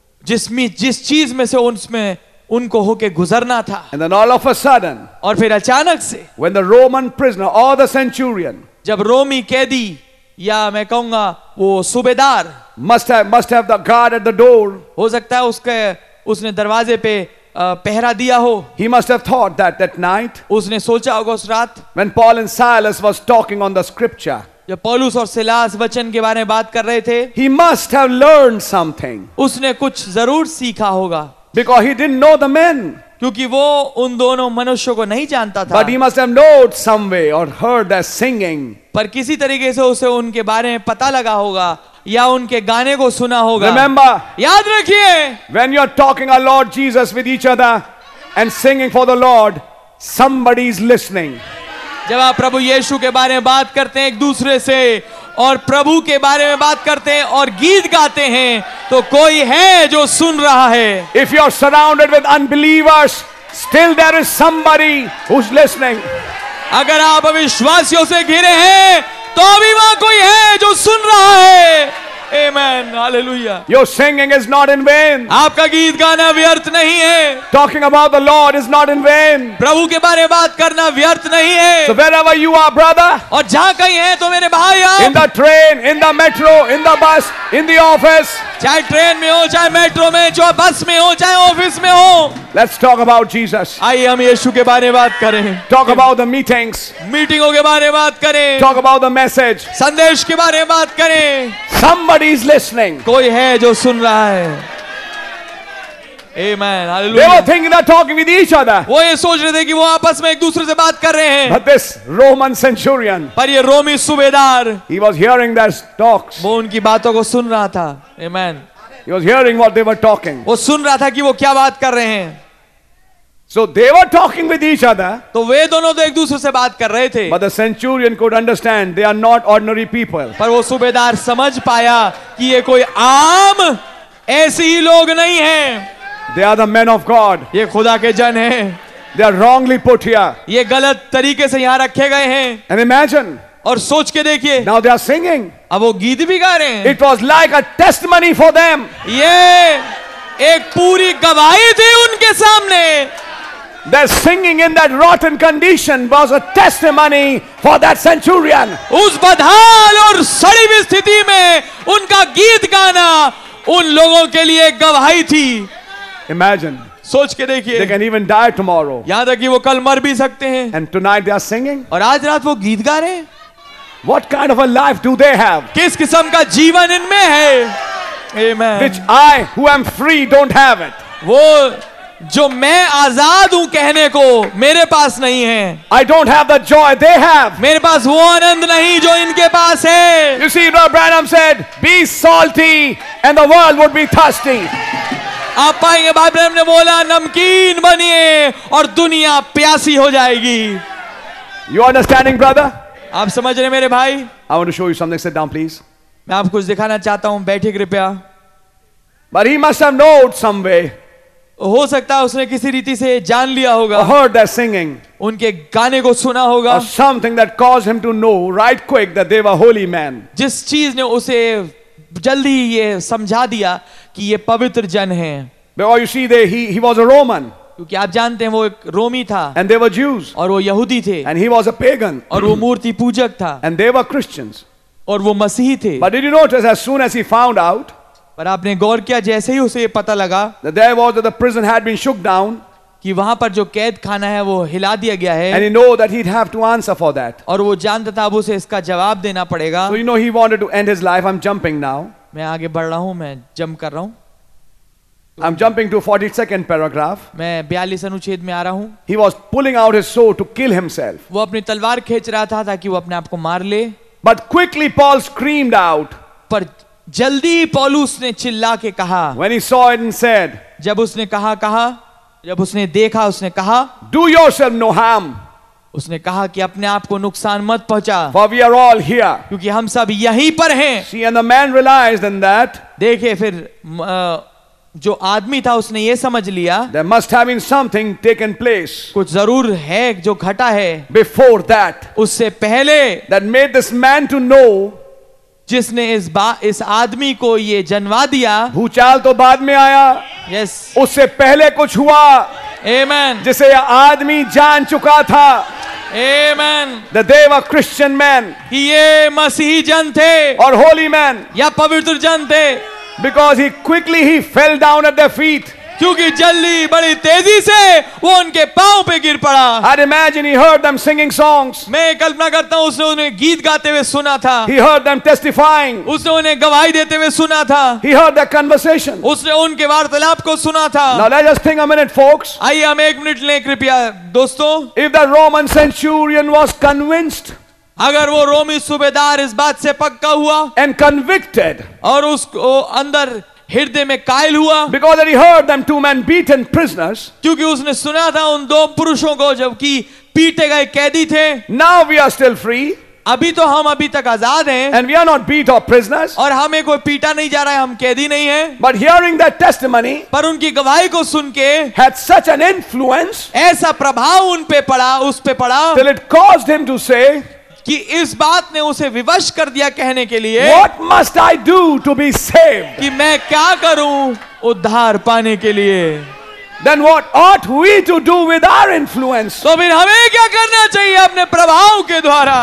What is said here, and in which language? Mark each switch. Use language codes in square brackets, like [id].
[hi] जिसमें जिस चीज में से उसमें उनको होके गुजरना था [en] and then all of a sudden [hi] और फिर अचानक से [en] when the Roman prisoner और the centurion [hi] जब रोमी कैदी या मैं कहूंगा वो सूबेदार [en] must have the guard at the door [hi] हो सकता है उसके उसने दरवाजे पे पहरा दिया हो [en] He must have thought that night [hi] उसने सोचा होगा उस रात [en] when Paul and Silas was talking on the scripture [hi] जब पौलुस और सिलास वचन के बारे में बात कर रहे थे [en] He must have learned something [hi] उसने कुछ जरूर सीखा होगा [en] because he didn't know the men [hi] क्योंकि वो उन दोनों मनुष्यों को नहीं जानता था [en] but he must have known some way or heard their singing [hi] पर किसी तरीके से उसे उनके बारे में पता लगा होगा या उनके गाने को सुना होगा [en] Remember, [hi] याद रखिए [en] When you are talking our Lord Jesus with each other and singing for the Lord, Somebody is listening. [hi] जब आप प्रभु यीशु के बारे में बात करते हैं एक दूसरे से और प्रभु के बारे में बात करते हैं और गीत गाते हैं तो कोई है जो सुन रहा है. [en] If you are surrounded with unbelievers, still there is somebody who's listening. [hi] अगर आप अविश्वासियों से घिरे हैं तो अभी वहां कोई है जो सुन रहा है. [en] Amen. Hallelujah. Your singing is not in vain. [hi] आपका गीत गाना व्यर्थ नहीं है. [en] Talking about the Lord is not in vain. [hi] प्रभु के बारे में बात करना व्यर्थ नहीं है. [en] So wherever you are, brother. [hi] और जहाँ कहीं हैं तो मेरे भाई आप. [en] In the train, in the metro, in the bus, in the office. [hi] चाहे ट्रेन में हो, चाहे मेट्रो में, चाहे बस में हो, चाहे ऑफिस में हो. [en] Let's talk about Jesus. [hi] आइए हम यीशु के बारे में बात करें. [en] Talk about the meetings. [hi] मीटिंगों के बारे में बात करें. [en] Talk about the message. [hi] संदेश के बारे में बात करें. [en] Somebody is listening. [hi] कोई है जो सुन रहा है. Amen. [en] They were thinking they're talking with each other. [hi] वो ये सोच रहे थे कि वो आपस में एक दूसरे से बात कर रहे हैं. [en] But this Roman centurion. [hi] पर ये रोमी सुबेदार. [en] He was hearing their talks. [hi] वो उनकी बातों को सुन रहा था. [en] Amen. He was hearing what they were talking. [hi] वो सुन रहा था कि वो क्या बात कर रहे हैं. [en] So they were talking with each other. [hi] तो वे दोनों तो एक दूसरे से बात कर रहे थे. [en] But the centurion could understand they are not ordinary people. [hi] पर वो सुबेदार समझ पाया कि ये कोई आम ऐसे ही लोग नहीं है. [en] They are the men of God. [hi] ये खुदा के जन हैं. [en] They are wrongly put here. [hi] ये गलत तरीके से यहाँ रखे गए हैं. [en] And imagine. [hi] और सोच के देखिए. [en] Now they are singing. [hi] अब वो गीत भी गा रहे हैं. [en] It was like a testimony for them. [hi] ये एक पूरी गवाही थी उनके सामने. [en] Their singing in that rotten condition was a testimony for that centurion. [hi] उस बदहाल और सड़ी हुई स्थिति में उनका गीत गाना उन लोगों के लिए गवाही थी. [en] Imagine. [hi] सोच के देखिए. [en] They can even die tomorrow. [hi] याद रखिए वो कल मर भी सकते हैं. [en] And tonight they are singing. [hi] और आज रात वो गीत गा रहे हैं. [en] What kind of a life do they have? [hi] किस किस्म का जीवन इनमें है? [en] Amen. Which I, who am free, don't have it. [hi] वो जो मैं आजाद हूं कहने को मेरे पास नहीं है. [en] I don't have the joy they have. [hi] मेरे पास वो आनंद नहीं जो इनके पास है. [en] You see, Brother Branham said, "Be salty, and the world would be thirsty." [hi] आप पाएंगे भाई ब्रह्म ने बोला नमकीन बनिए और दुनिया प्यासी हो जाएगी. [en] You understanding, brother? [hi] आप समझ रहे मेरे भाई? [en] I want to show you something. Sit down, please. [hi] मैं आपको कुछ दिखाना चाहता हूं. बैठिए कृपया. [en] But he must have known some way. [hi] हो सकता है उसने किसी रीति से जान लिया होगा. [en] Heard their singing. [hi] उनके गाने को सुना होगा. [en] Something that caused him to know right quick that they were holy men. [hi] जिस चीज ने उसे जल्दी ये समझा दिया कि ये पवित्र जन हैं. [en] Because you see, he was a Roman. [hi] क्योंकि आप जानते हैं वो एक रोमी था. [en] And they were Jews. [hi] और वो यहूदी थे. [en] And he was a pagan. [hi] और वो मूर्ति पूजक था. [en] And they were Christians. [hi] और वो मसीही थे. [en] But did you notice as soon as he found out? [hi] पर आपने गौर किया जैसे ही उसे ये पता लगा. [en] That there was that the prison had been shook down. [hi] कि वहाँ पर जो कैद खाना है वो हिला दिया गया है. [en] And he know that he'd have to answer for that. [hi] और वो जानता था अब उसे इसका जवाब देना पड़ेगा. [en] So you know he wanted to end his life. I'm jumping now. [hi] मैं आगे बढ़ रहा हूँ. मैं जंप कर रहा हूँ. [en] I'm jumping to 42nd paragraph. [hi] मैं 42 अनुच्छेद में आ रहा हूँ. [en] He was pulling out his sword to kill himself. [hi] वो अपनी तलवार खींच रहा था ताकि वो अपने आप को मार ले. [en] But quickly Paul screamed out. [hi] पर जल्दी पौलुस ने चिल्ला के कहा. [en] When he saw it and said. [hi] जब उसने कहा कहा जब उसने देखा उसने कहा. [en] Do yourself no harm. [hi] उसने कहा कि अपने आप को नुकसान मत पहुंचा. [en] For we are all here. [hi] क्योंकि हम सब यहीं पर हैं. [en] See, and the man realized in that. [hi] देखे फिर जो आदमी था उसने ये समझ लिया. [en] There must have been something taken place. [hi] कुछ जरूर है जो घटा है. [en] Before that. [hi] उससे पहले. [en] That made this man to know. [hi] जिसने इस आदमी को ये जनवा दिया. भूचाल तो बाद में आया. [en] Yes. [hi] उससे पहले कुछ हुआ. [en] Amen. [hi] जिसे यह आदमी जान चुका था. [en] Amen. The they were Christian men. [hi] ये मसीही जन थे. [en] और holy men. [hi] या पवित्र जन थे. [en] Because he quickly fell down at their feet. [hi] क्योंकि जल्दी बड़ी तेजी से वो उनके पांव पे गिर पड़ा. [en] I imagine he heard them singing songs. [hi] मैं कल्पना करता हूँ उसने उन्हें गीत गाते हुए सुना था. [en] He heard them testifying. [hi] उसने उन्हें गवाही देते हुए सुना था. [en] He heard their conversation. [hi] उसने उनके वार्तालाप को सुना था. [en] Now let us think a minute, folks. [hi] आइए हम एक मिनट लें कृपया दोस्तों. [en] If the Roman centurion was convinced. [hi] अगर वो रोमी सूबेदार इस बात से पक्का हुआ. [en] And convicted. [hi] और उसको अंदर हृदय में कायल हुआ [en] because he heard them two men beaten prisoners [hi] क्योंकि उसने सुना था उन दो पुरुषों को जबकि पीटे गए कैदी थे [en] now we are still free [hi] अभी तो हम अभी तक आजाद हैं [en] and we are not beat or prisoners [hi] और हमें कोई पीटा नहीं जा रहा है हम कैदी नहीं हैं [en] but hearing that testimony [hi] पर उनकी गवाही को सुनके [en] had such an influence [hi] ऐसा प्रभाव उन पे पड़ा उस पे पड़ा [en] till it caused him to say [hi] कि इस बात ने उसे विवश कर दिया कहने के लिए [en] what must I do to be saved [hi] कि मैं क्या करूं उद्धार पाने के लिए [en] Then what ought we to do with our influence? [hi] So फिर हमें क्या करना चाहिए अपने प्रभाव के द्वारा?